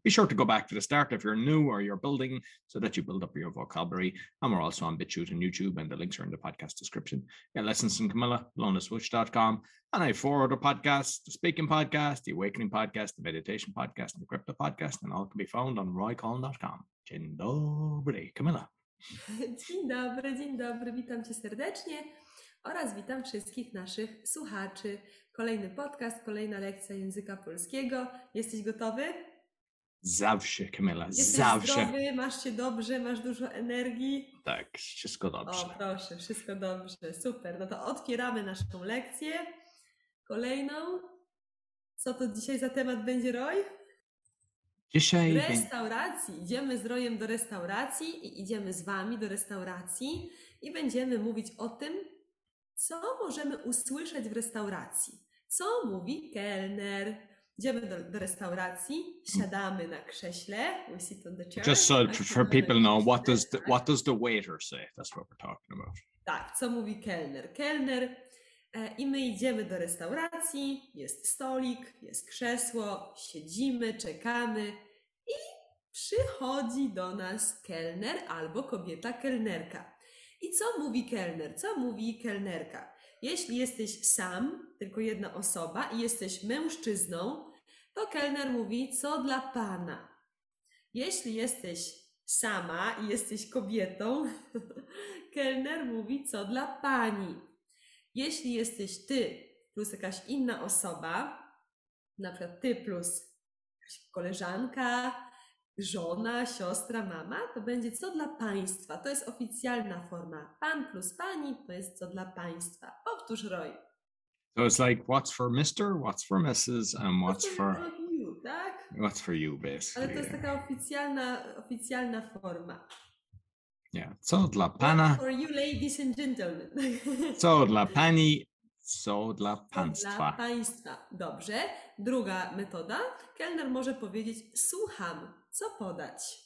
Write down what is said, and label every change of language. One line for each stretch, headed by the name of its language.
English: Be sure to go back to the start if you're new or you're building so that you build up your vocabulary. And we're also on BitChute and YouTube, and the links are in the podcast description. Get lessons from Camilla, lonaswitch.com. And I have 4 other podcasts, the Speaking Podcast, the Awakening Podcast, the Meditation Podcast, and the Crypto Podcast, and all can be found on roycolin.com.
Polish: Dzień dobry, Camilla. Dzień dobry, witam Cię serdecznie oraz witam wszystkich naszych słuchaczy. Kolejny podcast, kolejna lekcja języka polskiego. Jesteś gotowy? Zawsze, Kamila, zawsze. Jesteś zdrowy, masz się dobrze, masz dużo energii. Tak, wszystko dobrze. O, proszę, wszystko dobrze, super. No to otwieramy naszą lekcję, kolejną. Co to dzisiaj za temat będzie, Roy? Dzisiaj w restauracji. Idziemy z Rojem do restauracji i idziemy z Wami do restauracji i będziemy mówić o tym, co możemy usłyszeć w restauracji. Co mówi kelner? Idziemy do restauracji, siadamy na krześle.
English: We sit on the chair. Just so for people know, what does the waiter say? That's what we're talking about.
Polish: Tak, co mówi kelner? Kelner. I my idziemy do restauracji, jest stolik, jest krzesło, siedzimy, czekamy i przychodzi do nas kelner albo kobieta kelnerka. I co mówi kelner? Co mówi kelnerka? Jeśli jesteś sam, tylko jedna osoba i jesteś mężczyzną, to kelner mówi: co dla pana? Jeśli jesteś sama i jesteś kobietą, kelner mówi: co dla pani? Jeśli jesteś ty plus jakaś inna osoba, na przykład ty plus jakaś koleżanka, żona, siostra, mama, to będzie: co dla państwa. To jest oficjalna forma. Pan plus pani to jest: co dla państwa. Powtórz, Roy.
English: So it's like, what's for Mr., what's for Mrs., and what's for... you,
Polish: tak?
English: What's for you, basically.
Polish: Ale to jest taka oficjalna forma. Yeah. Co dla pana?
English: For you, ladies and gentlemen.
Polish: Co dla pani? Co dla państwa? Dla państwa. Dobrze. Druga metoda. Kelner może powiedzieć: słucham, co podać?